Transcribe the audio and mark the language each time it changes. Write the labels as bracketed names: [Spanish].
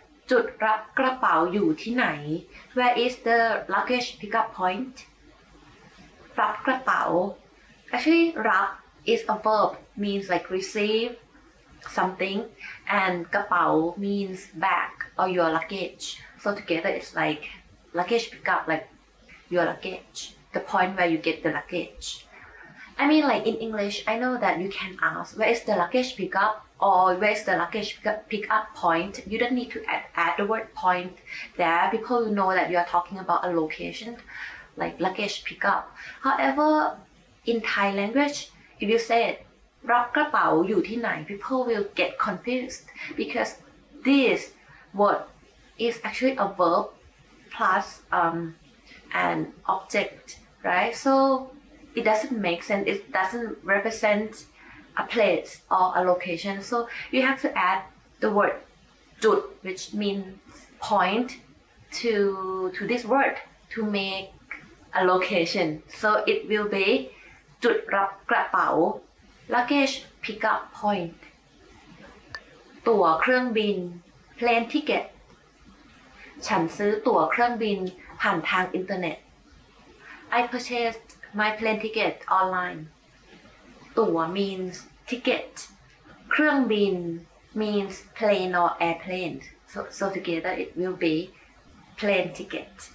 [Thai] จุดรับกระเป๋าอยู่ที่ไหน [English] Where is the luggage pick up point รับกระเป๋า Actually รับ is a verb means like receive something and กระเป๋า means bag or your luggage so together it's likeLuggage pick up like your luggage, the point where you get the luggage. I mean, like in English, I know that you can ask where is the luggage pick up or where is the luggage pick up point. You don't need to add the word point there. People know that you are talking about a location, like luggage pick up. However, in Thai language, if you say it, [Thai] รับกระเป๋าอยู่ที่ไหน, [English] people will get confused because this word is actually a verb. Plus an object, right? So it doesn't make sense. It doesn't represent a place or a location. So you have to add the word จุด, which means point to this word to make a location. So it will be จุดรับกระเป๋า luggage pick up point ตั๋วเครื่องบิน plane ticket [Thai] ฉันซื้อตั๋วเครื่องบินผ่านทางอินเทอร์เน็ต [English] I purchased my plane ticket online ตั๋ว means ticket เครื่องบิน means plane or airplane so together it will be plane ticket